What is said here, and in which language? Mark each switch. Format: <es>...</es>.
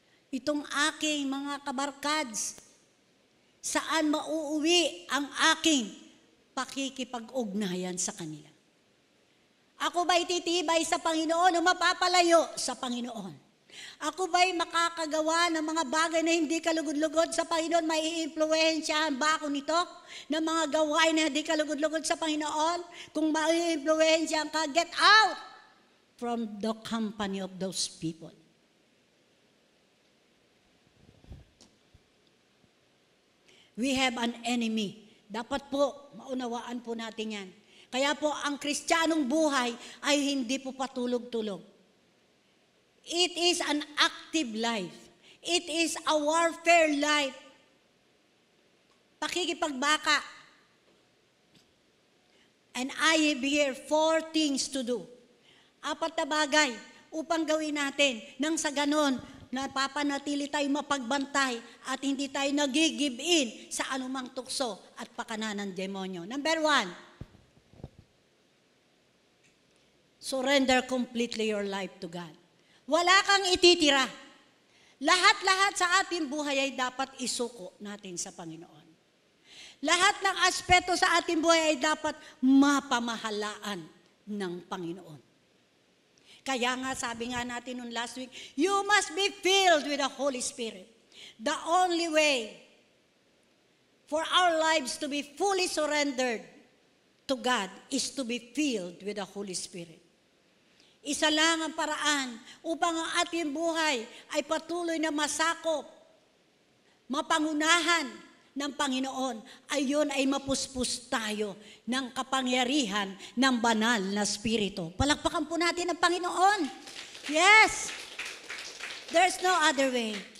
<tl>Itong aking mga kabarkads, saan mauuwi ang aking pakikipag-ugnayan sa Kanila? Ako ba'y titibay sa Panginoon o mapapalayo sa Panginoon? Ako ba'y makakagawa ng mga bagay na hindi kalugod-lugod sa Panginoon? May iimpluwensyahan ba ako nito? Ng mga gawain na hindi kalugod-lugod sa Panginoon? Kung may iimpluwensyahan ka,</tl> <en>get out from the company of those people. We have an enemy.</en> <tl>Dapat po, maunawaan po natin yan. Kaya po, ang Kristiyanong buhay ay hindi po patulog-tulog.</tl> <en>It is an active life. It is a warfare life.</en> <tl>Pakikipagbaka.</tl> <en>And I have here four things to do.</en> <tl>Apat na bagay upang gawin natin nang sa ganon napapanatili tayo mapagbantay at hindi tayo nagigive in sa anumang tukso at pakanan ng demonyo.</tl> <en>Number one, surrender completely your life to God.</en> <tl>Wala kang ititira. Lahat-lahat sa ating buhay ay dapat isuko natin sa Panginoon. Lahat ng aspeto sa ating buhay ay dapat mapamahalaan ng Panginoon. Kaya nga, sabi nga natin noon</tl> <en>last week, you must be filled with the Holy Spirit. The only way for our lives to be fully surrendered to God is to be filled with the Holy Spirit.</en> <tl>Isa lang ang paraan upang ang ating buhay ay patuloy na masakop, mapangunahan ng Panginoon, ay yun ay mapuspos tayo ng kapangyarihan ng banal na Espiritu. Palakpakan po natin ang Panginoon.</tl> <en>Yes! There's no other way.</en>